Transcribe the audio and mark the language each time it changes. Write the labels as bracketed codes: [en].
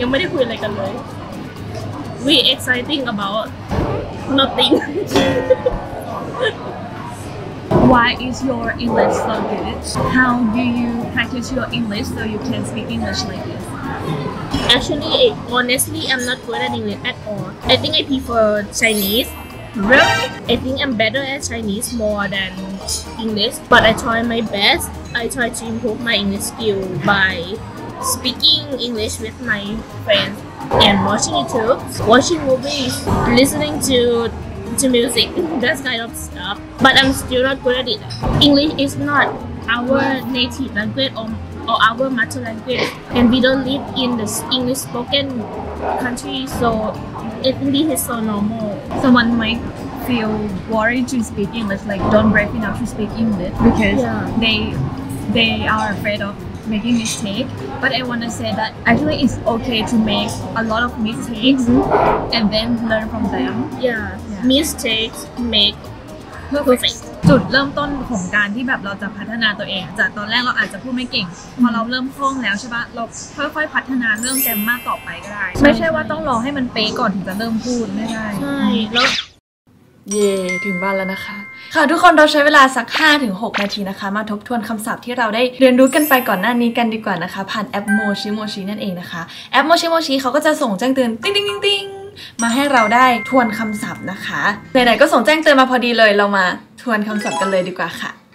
[th] ยังไม่ได้คุยอะไรกันเลย [en] We exciting about nothing. Why is your English so good? How do you practice your English so you can speak English like this? Actually, honestly, I'm not good at English at all. I think I prefer Chinese. Really? I think I'm better at Chinese more than English. But I try my best. I try to improve my English skill by speaking English with my friends and watching YouTube, watching movies, listening to music, that kind of stuff. But I'm still not good at it. English is not our native language or our mother language, and we don't live in the English spoken country, so it really is so normal. Someone might feel worried to speak English, like don't brave enough to speak English, because they are afraid of making mistake. But I want to say that actually it's okay to make a lot of mistakes and then learn from them. Yeah. Mistakes make perfect. [th] จุดเริ่มต้นของการที่แบบเราจะพัฒนาตัวเองจากตอนแรกเราอาจจะพูดไม่เก่งพอเราเริ่มคล่องแล้วใช่ปะเราค่อยๆพัฒนาเรื่องแกรมมาต่อไปก็ได้ไม่ใช่ว่าต้องรอให้มันเป๊ะก่อนถึงจะเริ่มพูดไม่ได้ ใช่แล้ว เย่ถึงบ้านแล้วนะคะค่ะทุกคนเราใช้เวลาสัก 5-6 นาทีนะคะมาทบทวนคำศัพท์ที่เราได้เรียนรู้กันไปก่อนหน้านี้กันดีกว่านะคะผ่านแอปโมชิโมชินั่นเองนะคะแอปโมชิโมชิเขาก็จะส่งแจ้งเตือนติ๊งๆๆๆมาให้เราได้ทวนคำศัพท์นะคะไหนๆก็ส่งแจ้งเตือนมาพอดีเลยเรามาทวนคำศัพท์กันเลยดีกว่าค่ะ